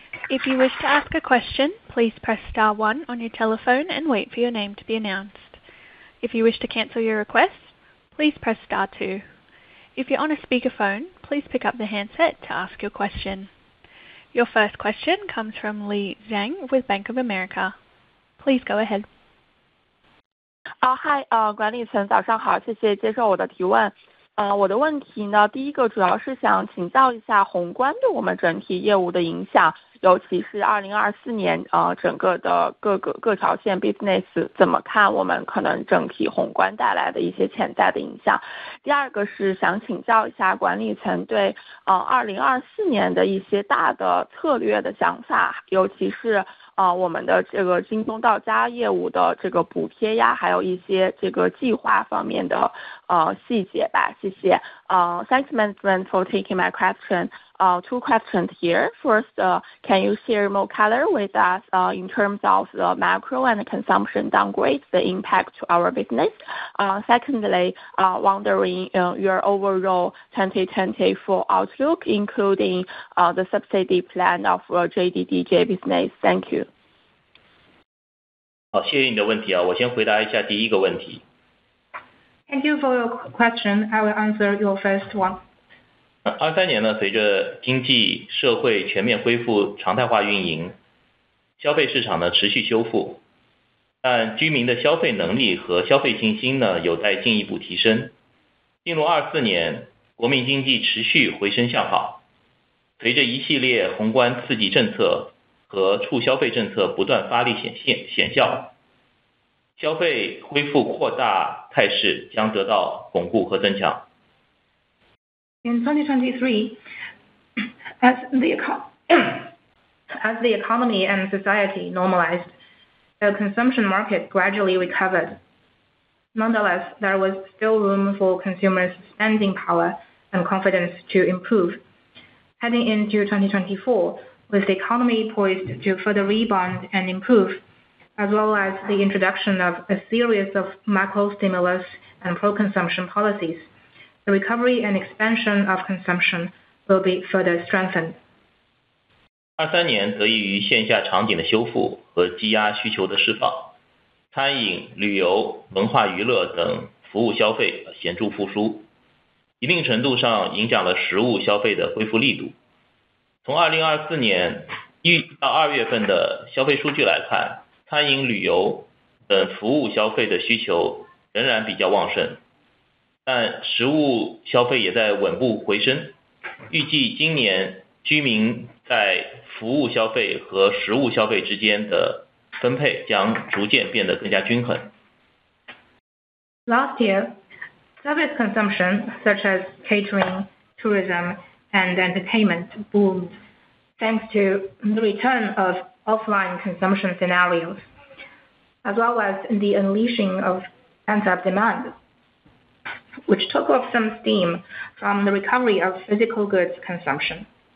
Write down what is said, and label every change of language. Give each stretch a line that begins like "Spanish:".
English: If you wish to ask a question, please press star 1 on your telephone and wait for your name to be announced. If you wish to cancel your request, please press star 2. If you're on a speakerphone, please pick up the handset to ask your question. Your first question comes from Li Zhang with Bank of America. Please go ahead. Hi,
Chinese: 管理层, 早上好, 谢谢接受我的提问。我的问题呢, 第一个主要是想请教一下宏观对我们整体业务的影响, 尤其是2024年, 整个的各条线 business 怎么看我们可能整体宏观带来的一些潜在的影响。第二个是想请教一下管理层对, 2024年的一些大的策略的想法, 尤其是我们的这个京东到家业务的这个补贴呀，还有一些这个计划方面的细节吧。谢谢。
English: Thanks management for taking my question. Two questions here. First, can you share more color with us in terms of the macro and consumption downgrades, the impact to our business? Secondly, wondering your overall 2024 outlook, including the subsidy plan of JDDJ business. Thank you.
Chinese: 好，谢谢你的问题啊，我先回答一下第一个问题。
English: Thank you for your question. I will answer your first one.
Chinese: 23年呢，随着经济社会全面恢复常态化运营，消费市场呢持续修复，但居民的消费能力和消费信心呢有待进一步提升。进入24年，国民经济持续回升向好，随着一系列宏观刺激政策和促消费政策不断发力显效，消费恢复扩大态势将得到巩固和增强。
English: In 2023, as the economy and society normalized, the consumption market gradually recovered. Nonetheless, there was still room for consumers' spending power and confidence to improve. Heading into 2024, with the economy poised to further rebound and improve,as well as the introduction of a series of macro stimulus and pro-consumption policies, the recovery and expansion of consumption will be further strengthened.
Chinese: 23年得益于线下场景的修复和积压需求的释放，餐饮、旅游、文化娱乐等服务消费显著复苏，一定程度上影响了食物消费的恢复力度。从2024年1到2月份的消费数据来看，餐饮、旅游等服务消费的需求仍然比较旺盛，但食物消费也在稳步回升。预计今年居民在服务消费和食物消费之间的分配将逐渐变得更加均衡。
English: Last year, service consumption such as catering, tourism, and entertainment boomed thanks to the return of offline consumption scenarios, as well as the unleashing of pent-up demand, which took off some steam from the recovery of physical goods consumption.